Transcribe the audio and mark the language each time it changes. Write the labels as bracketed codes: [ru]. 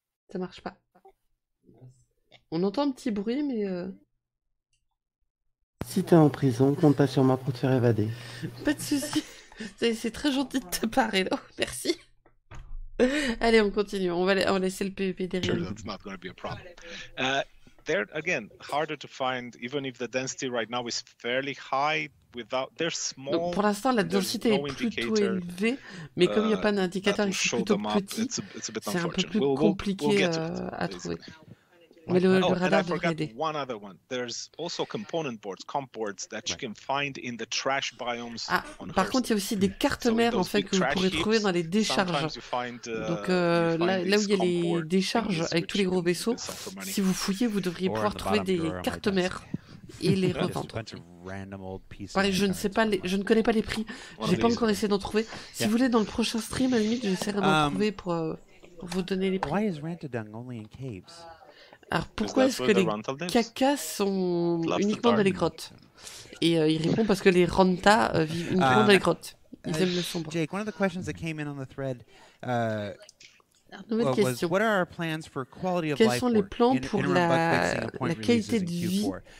[fr] Ça marche pas. On entend un petit bruit, mais... Si t'es en prison, compte pas sur moi pour te faire évader. Pas de soucis. C'est très gentil de te parler, non ? Merci. Allez, on continue. On va laisser le PVP derrière. [en] Sure, that's not going to be a problem. There again, harder to find. Even if the density right now is fairly high, without there's small. [fr] Donc pour l'instant, la densité est plutôt élevée, mais comme il n'y a pas d'indicateur, il est plutôt petit. C'est un peu plus compliqué à trouver. Mais le radar devrait aider. [en] Oh, and I forgot one other one. There's also component boards, comp boards that you can find in the trash biomes. [fr] Ah, par contre, il y a aussi des cartes mères en fait que vous pourrez trouver dans les décharges. Donc là où il y a les décharges avec tous les gros vaisseaux, si vous fouillez, vous devriez pouvoir trouver des cartes mères et les revendre. Pareil, je ne connais pas les prix. J'ai pas encore essayé d'en trouver. Si vous voulez, dans le prochain stream, à la limite, j'essaierai d'en trouver pour vous donner les prix. [en] Why is Rantadung only in caves? [fr] Alors pourquoi est-ce que les cacas sont uniquement dans les grottes? Et il répond parce que les Ranta vivent uniquement dans les grottes. Ils aiment le sombre. [en] Jake, one of the questions that came in on the thread was, what are our plans for quality of life? [fr] Quels sont les plans pour la qualité de vie?